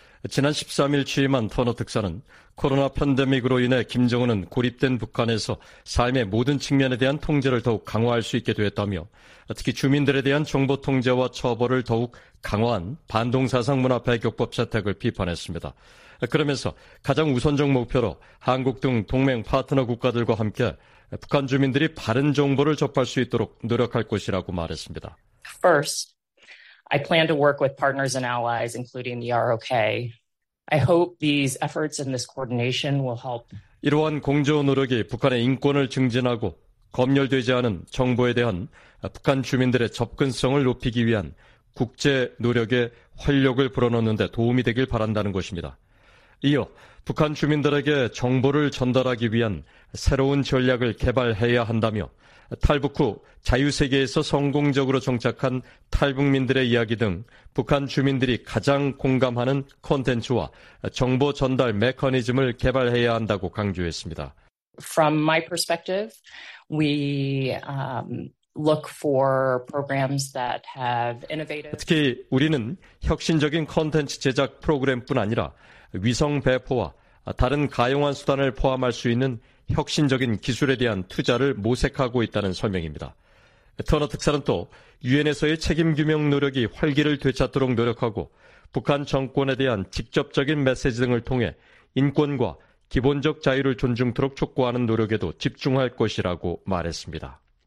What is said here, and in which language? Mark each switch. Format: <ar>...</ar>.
<ko>지난 13일 취임한 터너 특사는 코로나 팬데믹으로 인해 김정은은 고립된 북한에서 삶의 모든 측면에 대한 통제를 더욱 강화할 수 있게 되었다며 특히 주민들에 대한 정보 통제와 처벌을 더욱 강화한 반동사상 문화 배격법 채택을 비판했습니다. 그러면서 가장 우선적 목표로 한국 등 동맹 파트너 국가들과 함께 북한 주민들이 바른 정보를 접할 수 있도록 노력할 것이라고 말했습니다.</ko> <en>First, I plan to work with partners and allies, including the ROK. I hope these efforts and this coordination will help.</en> <ko>이러한 공조 노력이 북한의 인권을 증진하고 검열되지 않은 정보에 대한 북한 주민들의 접근성을 높이기 위한 국제 노력의 활력을 불어넣는 데 도움이 되길 바란다는 것입니다. 이어 북한 주민들에게 정보를 전달하기 위한 새로운 전략을 개발해야 한다며 탈북 후 자유세계에서 성공적으로 정착한 탈북민들의 이야기 등 북한 주민들이 가장 공감하는 콘텐츠와 정보 전달 메커니즘을 개발해야 한다고 강조했습니다.</ko> <en>From my perspective, we look for programs that have innovative.</en> <ko>특히 우리는 혁신적인 콘텐츠 제작 프로그램뿐 아니라 위성 배포와 다른 가용한 수단을 포함할 수 있는 혁신적인 기술에 대한 투자를 모색하고 있다는 설명입니다. 터너 특사는 또 유엔에서의 책임 규명 노력이 활기를 되찾도록 노력하고 북한 정권에 대한 직접적인 메시지 등을 통해 인권과 기본적 자유를 존중토록 촉구하는 노력에도 집중할 것이라고 말했습니다.</ko>